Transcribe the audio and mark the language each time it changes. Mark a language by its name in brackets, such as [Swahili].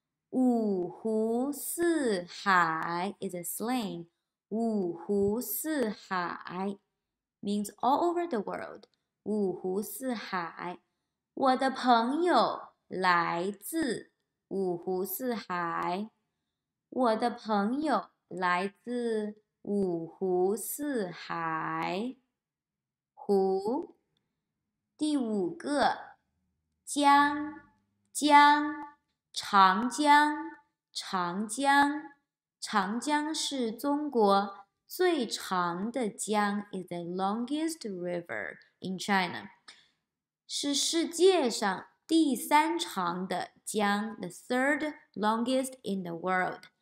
[English] 五湖四海 is a slang。五湖四海 means all over the world。 [Chinese] 五湖四海，我的朋友来自五湖四海。我的朋友来自五湖四海。湖。第五个，江，江，长江，长江，长江是中国最长的江 [English] is the longest river in China. [Chinese] 是世界上第三长的江 [English] the third longest in the world.